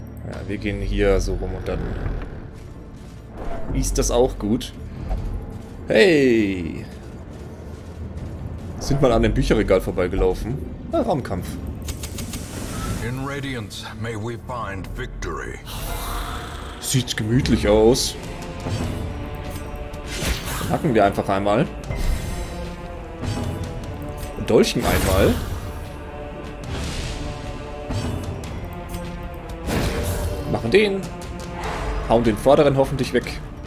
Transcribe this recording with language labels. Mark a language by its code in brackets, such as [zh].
[de] Ja, wir gehen hier so rum und dann ist das auch gut. Hey! Sind mal an dem Bücherregal vorbeigelaufen. Na, Raumkampf. [en] In Radiance may we find victory. [de] Sieht gemütlich aus. Hacken wir einfach einmal. Dolchen einmal. Machen den. Hauen den vorderen hoffentlich weg.